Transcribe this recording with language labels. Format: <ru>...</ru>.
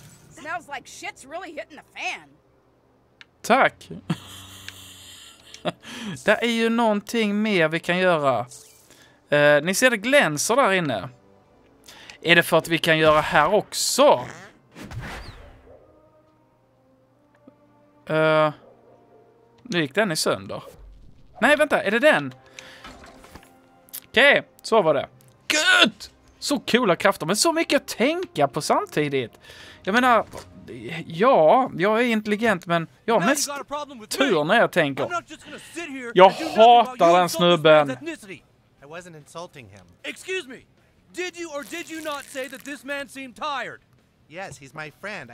<en>Sounds like shit's really hitting the fan.</en> <sv>Tack. Det är ju någonting mer vi kan göra. Ni ser det glänser där inne. Är det för att vi kan göra här också? Nu gick den i sönder. Nej, vänta. Är det den? Okej, så var det. Gud! Så coola krafter. Men så mycket att tänka på samtidigt. Jag menar... Ja, jag är intelligent, men jag har mest tur när jag tänker. Jag hatar den snubben. Jag var inte insulting honom.</sv> <en>Excuse me. Did you or did you not say that this man seemed tired? Yes, he's my friend.</en>